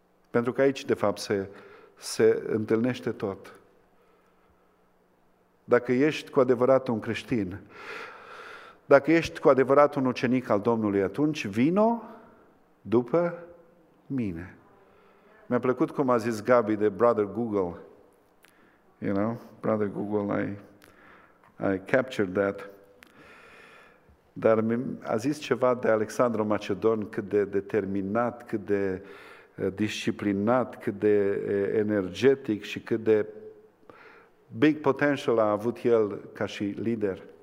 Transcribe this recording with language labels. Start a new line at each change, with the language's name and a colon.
Romanian: Pentru că aici, de fapt, se întâlnește tot. Dacă ești cu adevărat un creștin, dacă ești cu adevărat un ucenic al Domnului, atunci vino după mine. Mi-a plăcut cum a zis Gabi de Brother Google.
English: You know, Brother Google, I captured that.
Romanian: Dar a zis ceva de Alexandru Macedon, cât de determinat, cât de disciplinat, cât de energetic și cât de
English: big potential
Romanian: a avut el ca și lider.